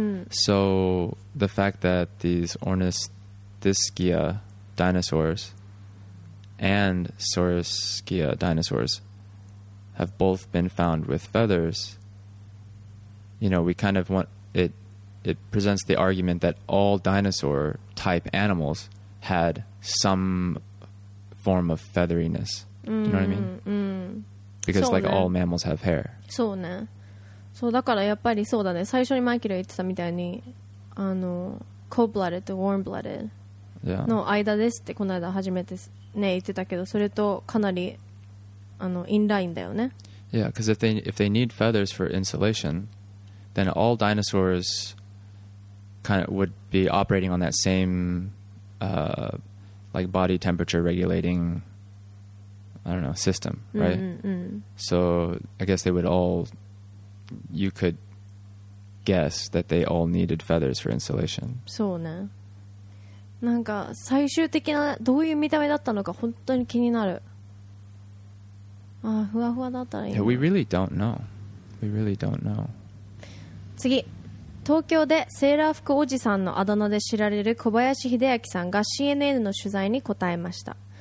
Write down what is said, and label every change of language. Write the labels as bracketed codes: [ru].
[en] So the fact that these Ornithischia dinosaurs and Saurischia dinosaurs have both been found with feathers. You know, we kind of want it. It presents the argument that all dinosaur type animals had some form of featheriness. You know what I mean? Because like all mammals have hair. [ja] そうね。そうだからやっぱりそうだね。最初にマイケル言ってたみたいに、あの、cold-blooded と warm-blooded。 [en] Yeah. [ja] の間ですってこの間初めてね言ってたけどそれとかなりあのインラインだよね [en] Yeah, because if they need feathers for insulation then all dinosaurs kind of would be operating on that same like body temperature regulating I don't know, system, right? So I guess they would all you could guess that they all needed feathers for insulation [ja] そうねなんか最終的などういう見た目だったのか本当に気になる。ああふわふわだったらいいな。 [en] Yeah, we really don't know. We really don't know. [ja] 次、東京でセーラー服おじさんのあだ名で知られる小林秀明さんが CNN の取材に答えました。